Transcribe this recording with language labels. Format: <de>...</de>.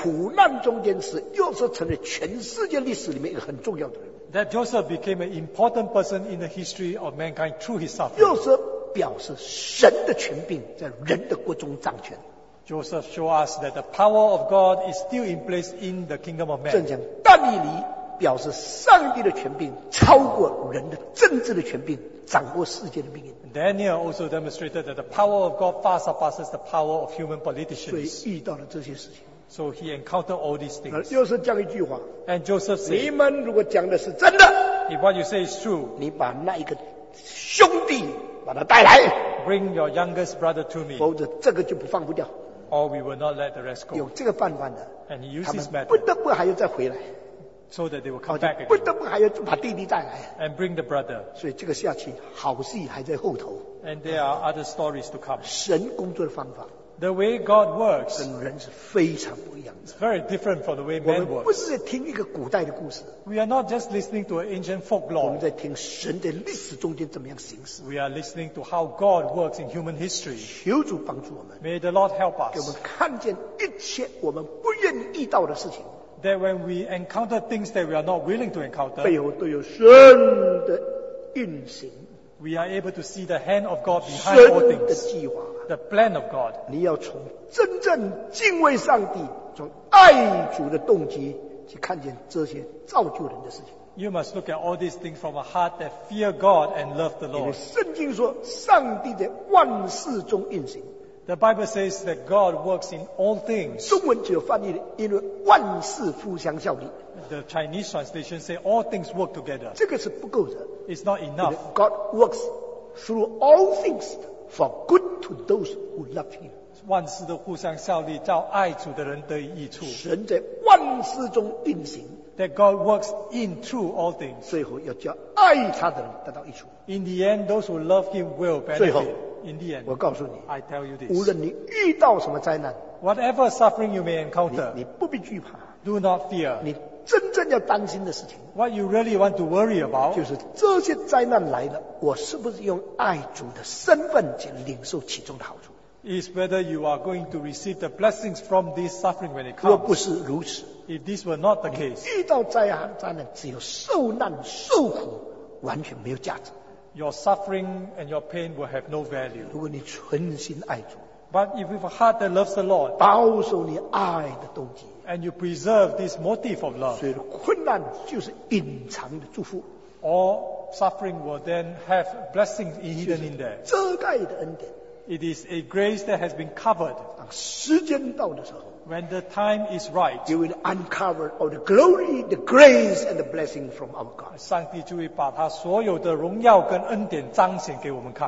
<zh>苦难中间使约瑟成了全世界历史里面一个很重要的人。</zh> <en>That Joseph became an important person in the history of mankind through his suffering.</en> <zh>约瑟表示神的权柄在人的国中掌权。</zh> <en>Joseph showed us that the power of God is still in place in the kingdom of man.</en> <zh>正像但以理表示上帝的权柄超过人的政治的权柄。掌握世界的命运。</zh> <en>Daniel also demonstrated that the power of God far surpasses the power of human politicians.</en> <zh>所以遇到了这些事情。</zh> <en>So he encountered all these things.</en> <zh>又是讲一句话。</zh> <en>And Joseph said,</en> <zh>你们如果讲的是真的</zh> <en>，If what you say is true,</en> <zh>你把那一个兄弟把他带来。</zh> <en>Bring your youngest brother to me.</en> <zh>否则这个就不放不掉。</zh> <en>Or we will not let the rest go.</en> <zh>有这个办法的。</zh> <en>And he used his method.</en> <zh>不得不还要再回来。</zh> <en>So that they will come back again.</en> <zh>不得不还要把弟弟带来。</zh> <en>And bring the brother.</en> <zh>所以这个下去好戏还在后头。</zh> <en>And there are other stories to come.</en> <zh>神工作的方法。</zh> <en>The way God works.</en> <zh>跟人是非常不一样的。</zh> <en>It's very different from the way man works.</en> <zh>我们不是在听一个古代的故事。</zh> <en>We are not just listening to an ancient folklore.</en> <zh>我们在听神在历史中间怎么样行事。</zh> <en>We are listening to how God works in human history.</en> <zh>求主帮助我们。</zh> <en>May the Lord help us.</en> <zh>给我们看见一切我们不愿意遇到的事情。</zh> <en>That when we encounter things that we are not willing to encounter,</en> <zh>背后都有神的运行。</zh> <en>We are able to see the hand of God behind all things.</en> <zh>神的计划。</zh> <en>The plan of God.</en> <zh>你要从真正敬畏上帝，从爱主的动机去看见这些造就人的事情。</zh> <en>You must look at all these things from a heart that fear God and love the Lord.</en> <zh>因为圣经说，上帝在万事中运行。</zh> <en>The Bible says that God works in all things.</en> <zh>中文就翻译了，因为万事互相效力。</zh> <en>The Chinese translation says all things work together.</en> <zh>这个是不够的。</zh> <en>It's not enough. God works through all things for good to those who love Him.</en> <zh>万事都互相效力，叫爱主的人得益处。神在万事中运行。</zh> <en>That God works in through all things.</en> <zh>最后要叫爱他的人得到益处。</zh> <en>In the end, those who love Him will benefit.</en> <zh>最后。</zh> <en>In the end,</en> <zh>我告诉你</zh> <en>I tell you this,</en> <zh>无论你遇到什么灾难</zh> <en>whatever suffering you may encounter,</en> <zh>你不必惧怕</zh> <en>do not fear,</en> <zh>你真正要担心的事情</zh> <en>what you really want to worry about,</en> <zh>就是这些灾难来了我是不是用爱主的身份去领受其中的好处</zh> <en>is whether you are going to receive the blessings from this suffering when it comes.</en> <zh>若不是如此,</zh> <en>if this were not the case,</en> <zh>遇到灾难, 只有受难受苦, 完全没有价值,</zh> <en>your suffering and your pain will have no value.</en> <zh>如果你存心爱主,</zh> <en>but if you have a heart that loves the Lord,</en> <zh>保守你爱的动机,</zh> <en>and you preserve this motive of love,</en> <zh>所以困难就是隐藏的祝福,</zh> <en>all suffering will then have blessings hidden in there.</en> <zh>遮盖的恩典,</zh> <en>it is a grace that has been covered.</en> <zh>当时间到的时候,</zh> <en>when the time is right, you will uncover all the glory, the grace, and the blessing from our God.</en> <zh>上帝就会把他所有的荣耀跟恩典彰显给我们看。</zh>